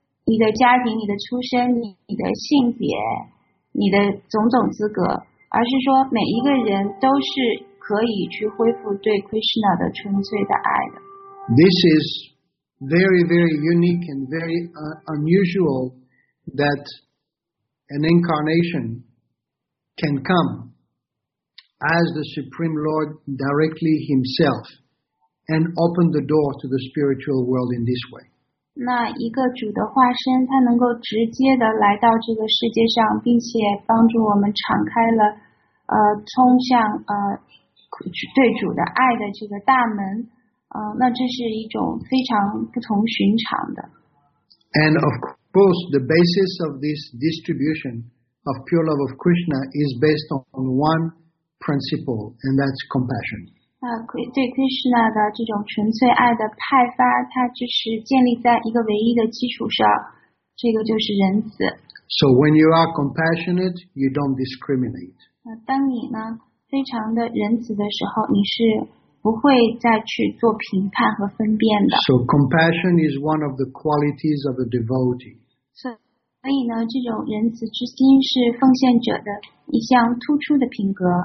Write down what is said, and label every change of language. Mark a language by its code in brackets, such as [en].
[zh] 你的家庭、你的出身、你的性别、你的种种资格，而是说每一个人都是可以去恢复对 Krishna 的纯粹的爱的。 [en] This is very, very unique and very unusual that an incarnation can come as the Supreme Lord directly Himself and open the door to the spiritual world in this way. [zh] 那一个主的化身，他能够直接的来到这个世界上，并且帮助我们敞开了，通向对主的爱的这个大门。那这是一种非常不同寻常的。 [en] And of course, the basis of this distribution of pure love of Krishna is based on one principle, and that's compassion. [zh] 对 Krishna 的这种纯粹爱的派发，它就是建立在一个唯一的基础上，这个就是仁慈。 [en] So when you are compassionate, you don't discriminate. [zh] 当你呢非常的仁慈的时候，你是不会再去做评判和分辨的。 [en] So compassion is one of the qualities of a devotee. [zh] 所以呢，这种仁慈之心是奉献者的一项突出的品格。